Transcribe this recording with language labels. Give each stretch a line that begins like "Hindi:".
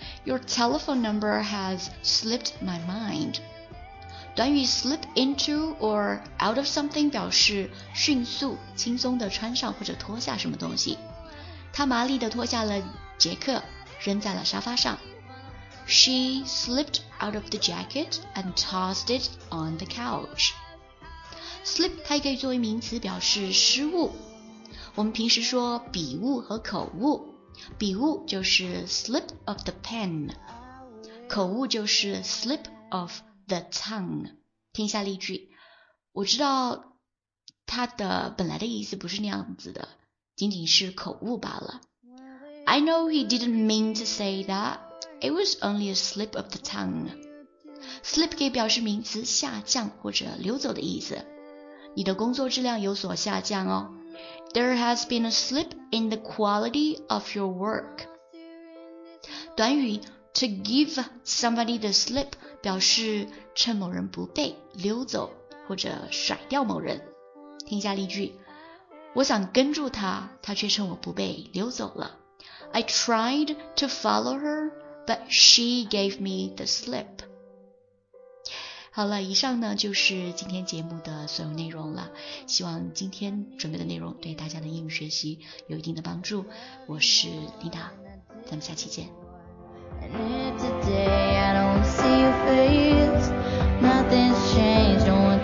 English: Your telephone number has slipped my mind.
Chinese: 短语 slip into or out of something 表示迅速、轻松地穿上或者脱下什么东西。他麻利地脱下了杰克，扔在了沙发上。
English: She slipped out of the jacket and tossed it on the couch.
Chinese: Slip 它也可以作为名词表示失误。我们平时说笔误和口误，笔误就是
English: slip of the pen，
Chinese: 口误就是
English: slip of the tongue.
Chinese: 听一下例句。我知道他的本来的意思不是那样子的，仅仅是口误罢了。
English: I know he didn't mean to say that. It was only a slip of the tongue.
Chinese: Slip 可以表示名词下降或者流走的意思。你的工作质量有所下降哦。
English: There has been a slip in the quality of your work.
Chinese: 短语
English: To give somebody the slip
Chinese: 表示趁某人不备溜走或者甩掉某人。听一下例句。我想跟住他，他却趁我不备溜走了。
English: I tried to follow her, but she gave me the slip.
Chinese: 好了，以上呢就是今天节目的所有内容了。希望今天准备的内容对大家的英语学习有一定的帮助。我是丽达，咱们下期见。
English: And if today I don't see your face, nothing's changed.